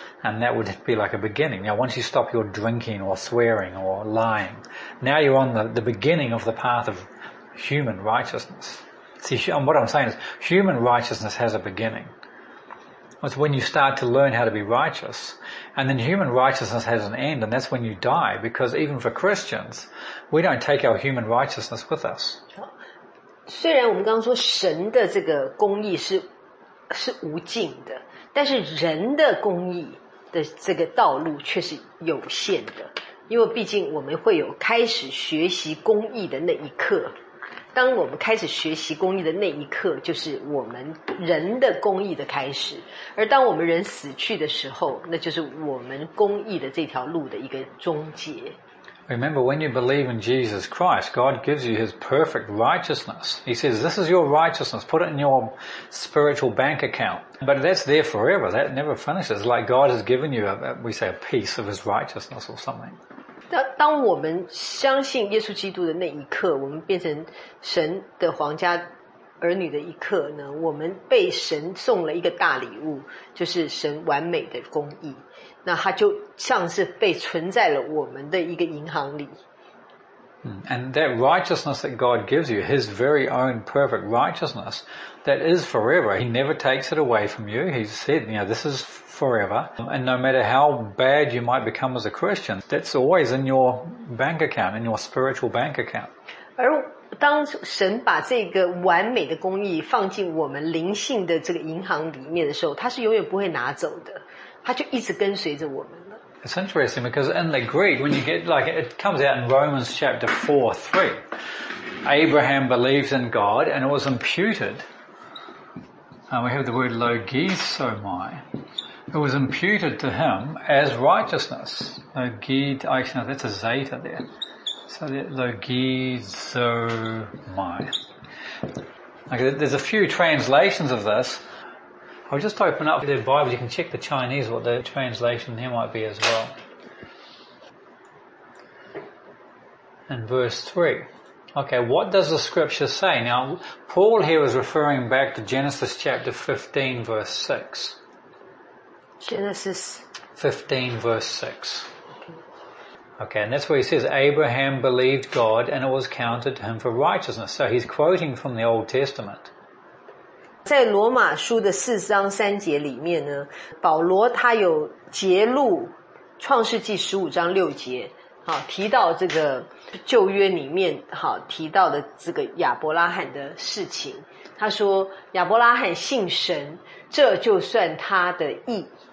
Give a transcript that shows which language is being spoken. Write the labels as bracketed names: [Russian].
[English] And that would be like a beginning. Now, once you stop your drinking or swearing or lying, now you're on the beginning of the path of human righteousness. See, what I'm saying is, human righteousness has a beginning. It's when you start to learn how to be righteous. And then human righteousness has an end, and that's when you die. Because even for Christians, we don't take our human righteousness with us. [Chinese] 虽然我们刚刚说神的这个公义是无尽的，但是人的公义的这个道路却是有限的。因为毕竟我们会有开始学习公义的那一刻。当我们开始学习公义的那一刻，就是我们人的公义的开始。而当我们人死去的时候，那就是我们公义的这条路的一个终结。 [English] Remember, when you believe in Jesus Christ, God gives you His perfect righteousness. He says, this is your righteousness. Put it in your spiritual bank account. But that's there forever. That never finishes. Like God has given you, a piece of His righteousness or something. [Chinese] 当我们相信耶稣基督的那一刻，我们变成神的皇家儿女的一刻呢，我们被神送了一个大礼物，就是神完美的公义，那它就像是被存在了我们的一个银行里。 [English] And that righteousness that God gives you, His very own perfect righteousness, that is forever. He never takes it away from you. He said, you know, this is forever. And no matter how bad you might become as a Christian, that's always in your bank account, in your spiritual bank account. [Chinese] 而当神把这个完美的公义放进我们灵性的这个银行里面的时候，他是永远不会拿走的，他就一直跟随着我们。 [English] It's interesting because in the Greek, when you get, like, it comes out in Romans chapter 4:3. Abraham believed in God and it was imputed. We have the word logizomai. It was imputed to him as righteousness. That's a zeta there. So logizomai. Like, there's a few translations of this. I'll just open up the Bible. You can check the Chinese what the translation there might be as well. In verse 3. Okay, what does the scripture say? Now, Paul here is referring back to Genesis chapter 15, verse 6. Genesis 15, verse 6. Okay, and that's where he says, Abraham believed God and it was counted to him for righteousness. So he's quoting from the Old Testament. [Chinese] 在罗马书的四章三节里面呢，保罗他有揭露创世纪十五章六节，好提到这个旧约里面好提到的这个亚伯拉罕的事情。他说亚伯拉罕信神，这就算他的义。